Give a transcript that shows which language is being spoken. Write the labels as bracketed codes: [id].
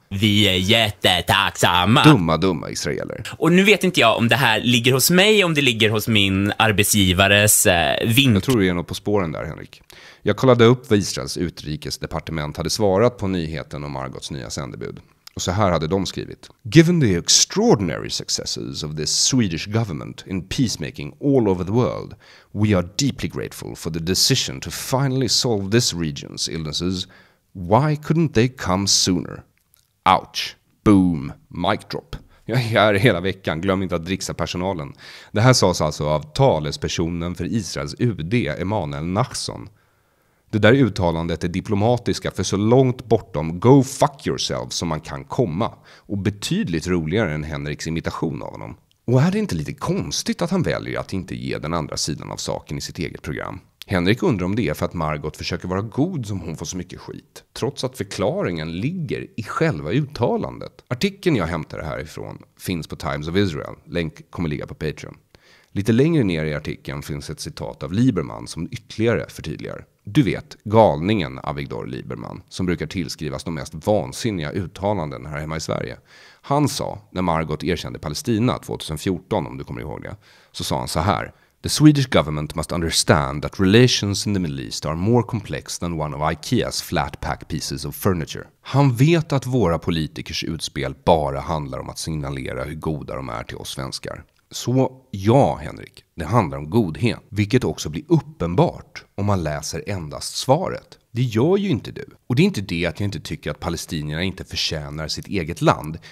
[sv] Vi är jättetacksamma. Dumma, dumma israeler. Och nu vet inte jag om det här ligger hos mig, om det ligger hos min arbetsgivares vink. Jag tror du är något på spåren där, Henrik. Jag kollade upp vad Israels utrikesdepartement hade svarat på nyheten om Margots nya sändebud. Och så här hade de skrivit. [en] Given the extraordinary successes of the Swedish government in peacemaking all over the world, we are deeply grateful for the decision to finally solve this region's illnesses. Why couldn't they come sooner? Ouch. Boom. Mic drop. [sv] Jag är här hela veckan, glöm inte att dricksa personalen. Det här sades alltså av talespersonen för Israels UD, Emanuel Nachson. Det där uttalandet är diplomatiska för så långt bortom [en] go fuck yourself [sv] som man kan komma. Och betydligt roligare än Henriks imitation av honom. Och är det inte lite konstigt att han väljer att inte ge den andra sidan av saken i sitt eget program? Henrik undrar om det är för att Margot försöker vara god som hon får så mycket skit. Trots att förklaringen ligger i själva uttalandet. Artikeln jag hämtade härifrån finns på Times of Israel. Länk kommer ligga på Patreon. Lite längre ner i artikeln finns ett citat av Lieberman som ytterligare förtydligar. Du vet, galningen Avigdor Lieberman, som brukar tillskrivas de mest vansinniga uttalanden här hemma i Sverige. Han sa, när Margot erkände Palestina 2014, om du kommer ihåg det, så sa han så här. The Swedish government must understand that relations in the Middle East are more complex than one of IKEA's flat pack pieces of furniture. Han vet att våra politikers utspel bara handlar om att signalera hur goda de är till oss svenskar. Så ja, Henrik, det handlar om godhet, vilket också blir uppenbart om man läser endast svaret. Det gör ju inte du. Och det är inte det att jag inte tycker att palestinierna inte förtjänar sitt eget land.